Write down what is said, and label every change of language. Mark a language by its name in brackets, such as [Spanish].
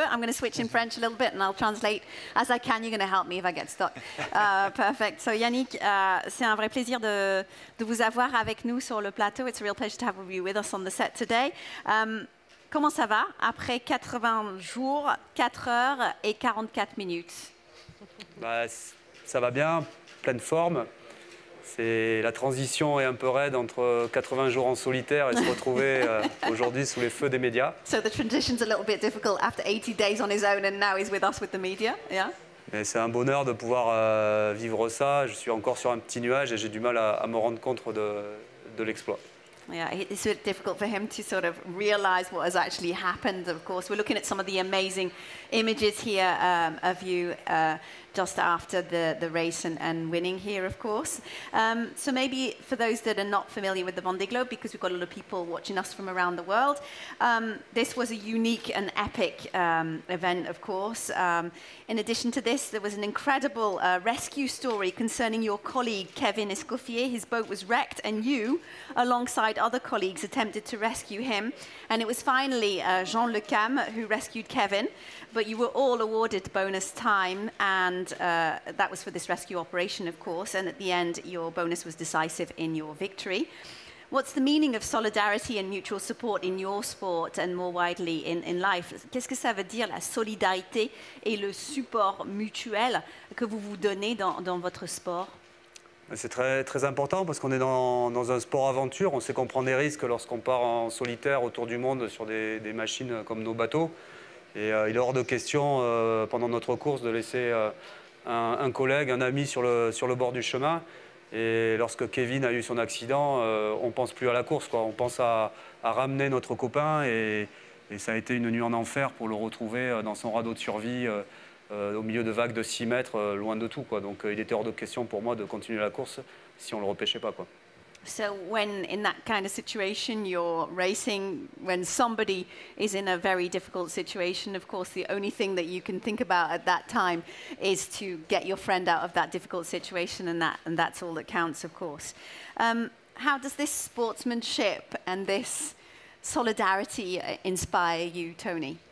[English] I'm going to switch in French a little bit, and I'll translate as I can. You're going to help me if I get stuck. Perfect. [French] So, Yannick, c'est un vrai plaisir de vous avoir avec nous sur le plateau. [English] It's a real pleasure to have you with us on the set today. [French] Comment ça va après 80 jours, 4 heures et 44 minutes? Bah, ça va bien, pleine forme. C'est, la transition est un peu raide entre 80 jours en solitaire et se retrouver aujourd'hui sous les feux des médias. [English] So the transition's a little bit difficult after 80 days on his own and now he's with us with the media, yeah? [French] Mais c'est un bonheur de pouvoir vivre ça. Je suis encore sur un petit nuage et j'ai du mal à me rendre compte de l'exploit. [English] Yeah, it's a bit difficult for him to sort of realize what has actually happened, of course. We're looking at some of the amazing images here of you just after the race and winning here, of course. So maybe for those that are not familiar with the Vendée Globe, because we've got a lot of people watching us from around the world, this was a unique and epic event, of course. In addition to this, there was an incredible rescue story concerning your colleague, Kevin Escoffier. His boat was wrecked, and you, alongside other colleagues, attempted to rescue him. And it was finally Jean Le Cam who rescued Kevin. But you were all awarded bonus time, and that was for this rescue operation, of course. And at the end, your bonus was decisive in your victory. What's the meaning of solidarity and mutual support in your sport and more widely in life? [French] Qu'est-ce que ça veut dire, la solidarité et le support mutuel que vous vous donnez dans votre sport? C'est très, très important parce qu'on est dans un sport aventure. On sait qu'on prend des risques lorsqu'on part en solitaire autour du monde sur des machines comme nos bateaux. Et il est hors de question, pendant notre course, de laisser un collègue, un ami sur le bord du chemin. Et lorsque Kevin a eu son accident, on ne pense plus à la course, quoi. On pense à ramener notre copain. Et ça a été une nuit en enfer pour le retrouver dans son radeau de survie, au milieu de vagues de 6 mètres, loin de tout, quoi. Donc il était hors de question pour moi de continuer la course si on ne le repêchait pas, quoi. [English] So when in that kind of situation you're racing, when somebody is in a very difficult situation, of course the only thing that you can think about at that time is to get your friend out of that difficult situation, and that's all that counts, of course. How does this sportsmanship and this solidarity inspire you, Tony?